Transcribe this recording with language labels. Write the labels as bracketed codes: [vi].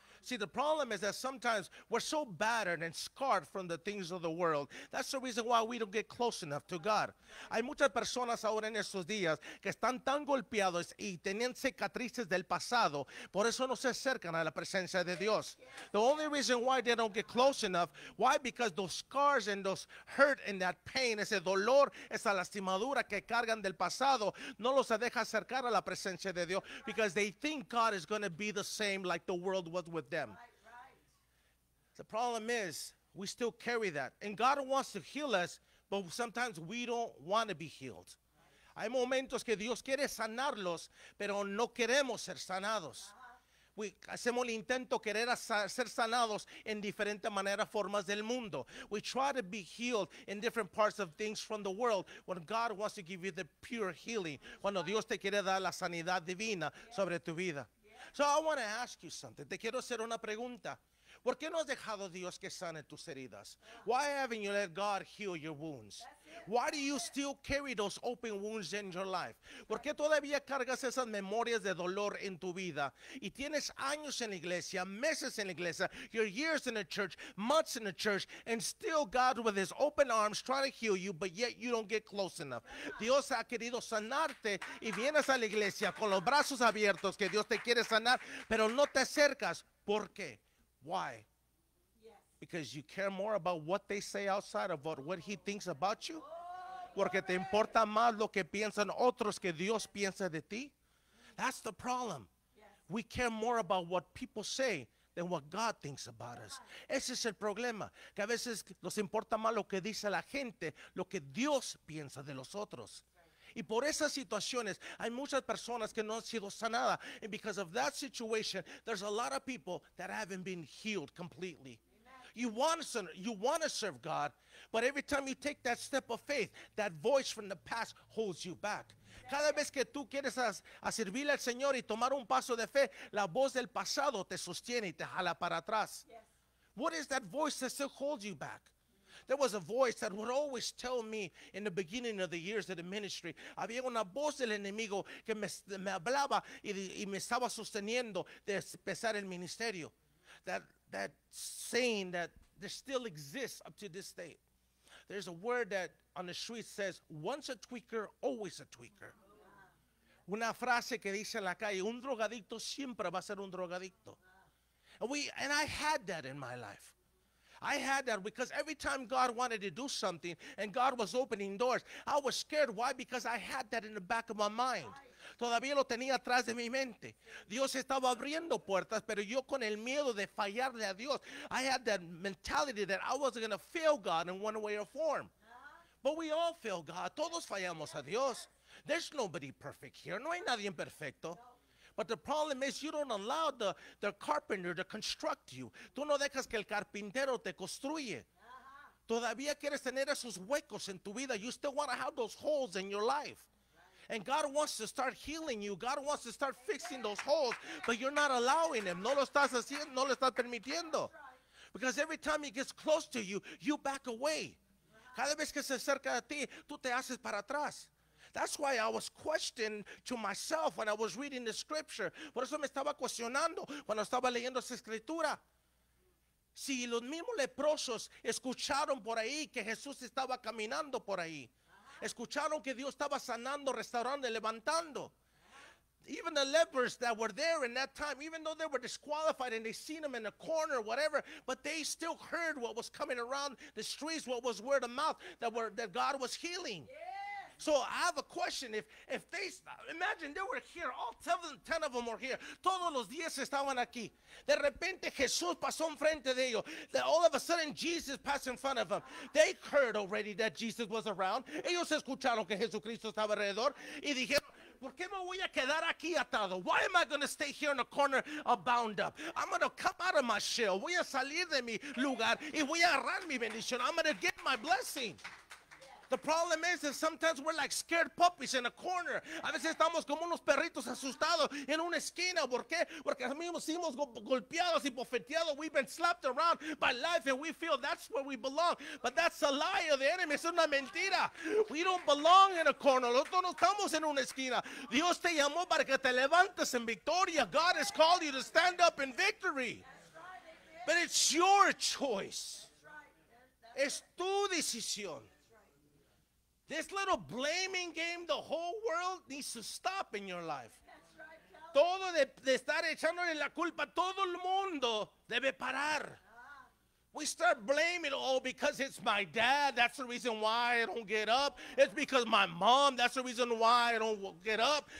[en] See, the problem is that sometimes we're so battered and scarred from the things of the world. That's the reason why we don't get close enough to God. [es] Hay muchas personas ahora en estos días que están tan golpeados y tienen cicatrices del pasado. Por eso no se acercan a la presencia de Dios. [en] The only reason why they don't get close enough, why? Because those scars and those hurt and that pain, [es] ese dolor, esa lastimadura que cargan del pasado, no los deja acercar a la presencia de Dios. [en] Because they think God is going to be the same like the world was with them. The problem is, we still carry that. And God wants to heal us, but sometimes we don't want to be healed. [es] Hay momentos que Dios quiere sanarlos, pero no queremos ser sanados. [en] We [es] hacemos el intento querer ser sanados en diferentes maneras, formas del mundo. [en] We try to be healed in different parts of things from the world when God wants to give you the pure healing. [es] Cuando Dios te quiere dar la sanidad divina sobre tu vida. [en] So I want to ask you something. [es] Te quiero hacer una pregunta. ¿Por qué no has dejado Dios que sane tus heridas? [en] Why haven't you let God heal your wounds? Why do you still carry those open wounds in your life? [es] ¿Por qué todavía cargas esas memorias de dolor en tu vida? Y tienes años en la iglesia, [en] meses en la iglesia, your years in the church, months in the church, and still God with his open arms trying to heal you, but yet you don't get close enough. [es] Dios ha querido sanarte y vienes a la iglesia con los brazos abiertos que Dios te quiere sanar, pero no te acercas. ¿Por qué? [en] Why? Because you care more about what they say outside of what he thinks about you? [es] Porque te importa más lo que piensan otros que Dios piensa de ti? [en] That's the problem. We care more about what people say than what God thinks about us. [es] Ese es el problema. Que a veces nos importa más lo que dice la gente, lo que Dios piensa de los otros. Y por esas situaciones, hay muchas personas que no han sido sanadas. [en] And because of that situation, there's a lot of people that haven't been healed completely. You want to serve God, but every time you take that step of faith, that voice from the past holds you back. [es] Cada vez que tú quieres a servirle al Señor y tomar un paso de fe, la voz del pasado te sostiene y te jala para atrás. [en] What is that voice that still holds you back? There was a voice that would always tell me in the beginning of the years of the ministry. [es] Había una voz del enemigo que me hablaba y me estaba sosteniendo de empezar el ministerio. [en] That saying that there still exists up to this day. There's a word that on the street says, once a tweaker, always a tweaker. [es] Una frase que dice en la calle, un drogadicto siempre va a ser un drogadicto. [en] And I had that in my life. I had that because every time God wanted to do something and God was opening doors, I was scared. Why? Because I had that in the back of my mind. [es] Todavía lo tenía atrás de mi mente. Dios estaba abriendo puertas, pero yo con el miedo de fallarle a Dios, [en] I had that mentality that I wasn't going to fail God in one way or form. But we all fail God. [es] Todos fallamos a Dios. [en] There's nobody perfect here. [es] No hay nadie perfecto. [en] But the problem is you don't allow the carpenter to construct you. [es] Tú no dejas que el carpintero te construye. Todavía quieres tener esos huecos en tu vida. [en] You still want to have those holes in your life. And God wants to start healing you. God wants to start fixing those holes. But you're not allowing him. [es] No lo estás haciendo, no lo estás permitiendo. [en] Because every time he gets close to you, you back away. [es] Cada vez que se acerca a ti, tú te haces para atrás. [en] That's why I was questioning to myself when I was reading the scripture. [es] Por eso me estaba cuestionando cuando estaba leyendo esa escritura. Si los mismos leprosos escucharon por ahí que Jesús estaba caminando por ahí. Escucharon que Dios estaba sanando, restaurando y levantando. [en] Even the lepers that were there in that time, even though they were disqualified and they seen him in the corner, whatever, but they still heard what was coming around the streets, what was word of mouth that God was healing. So I have a question. If they imagine they were here, all 10 of them were here. [es] Todos los 10 estaban aquí. De repente Jesús pasó enfrente de ellos. [en] Then all of a sudden Jesus passed in front of them. They heard already that Jesus was around. [es] Ellos escucharon que Jesucristo estaba alrededor y dijeron, ¿por qué me voy a quedar aquí atado? [en] Why am I going to stay here in a corner bound up? I'm going to come out of my shell. [es] Voy a salir de mi lugar y voy a agarrar mi bendición. [en] I'm going to get my blessing. The problem is that sometimes we're like scared puppies in a corner. [es] A veces estamos como unos perritos asustados en una esquina. ¿Por qué? Porque nosotros hemos golpeados y bofeteados. [en] We've been slapped around by life and we feel that's where we belong. But that's a lie of the enemy. [es] Es una mentira. [en] We don't belong in a corner. [es] Nosotros no estamos en una esquina. Dios te llamó para que te levantes en victoria. [en] God has called you to stand up in victory. That's right. But it's your choice. [es] Es tu decisión. [en] This little blaming game the whole world needs to stop in your life. [es] Todo de estar echándole la culpa a todo el mundo debe parar. [en] We start blaming, oh, because it's my dad, that's the reason why I don't get up. It's because my mom, that's the reason why I don't get up.